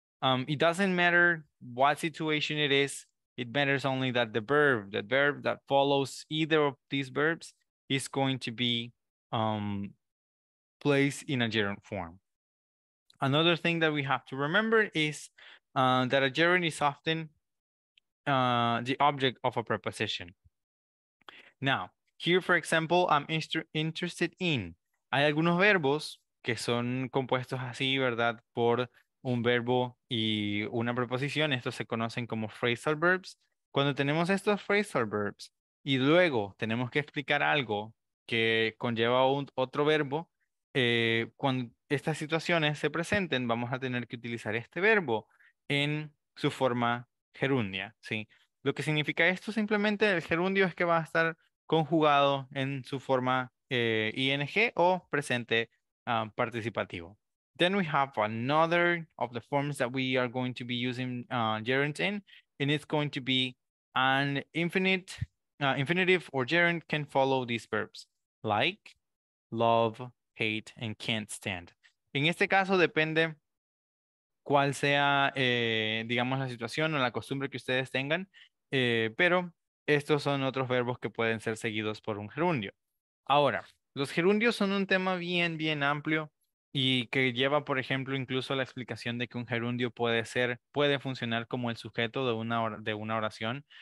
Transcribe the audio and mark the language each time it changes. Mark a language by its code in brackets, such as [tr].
[en] It doesn't matter what situation it is, it matters only that the verb that follows either of these verbs is going to be placed in a gerund form. Another thing that we have to remember is that a gerund is often the object of a preposition. Now, here, for example, I'm interested in. [es] Hay algunos verbos que son compuestos así, ¿verdad? Por un verbo y una preposición. Estos se conocen como phrasal verbs. Cuando tenemos estos phrasal verbs y luego tenemos que explicar algo que conlleva otro verbo, cuando estas situaciones se presenten, vamos a tener que utilizar este verbo en su forma gerundia, ¿sí? Lo que significa esto simplemente, el gerundio es que va a estar conjugado en su forma ing o presente participativo. [en] Then we have another of the forms that we are going to be using gerund in, and it's going to be an infinitive or gerund can follow these verbs like, love, hate, and can't stand. [es] En este caso depende cuál sea, digamos, la situación o la costumbre que ustedes tengan, pero estos son otros verbos que pueden ser seguidos por un gerundio. Ahora, los gerundios son un tema bien, bien amplio y que lleva, por ejemplo, incluso la explicación de que un gerundio puede funcionar como el sujeto de una oración.